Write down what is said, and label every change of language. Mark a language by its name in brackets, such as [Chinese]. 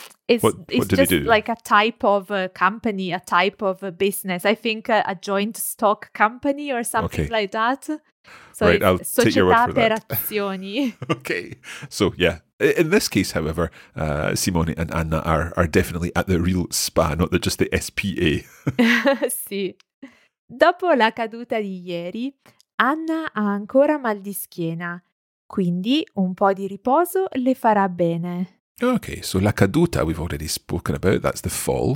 [English] It's just like a type of company, a type of business. I think a joint stock company or something like that. So right, I'll take your word for [Italian] per azioni. [English] Okay. So, yeah. In this case, however, Simone and Anna are definitely at the real spa, not just the SPA. [Italian] Sì. Dopo la caduta di ieri, Anna ha ancora mal di schiena. Quindi un po' di riposo le farà bene. [English] Okay, so la caduta we've already spoken about, that's the fall.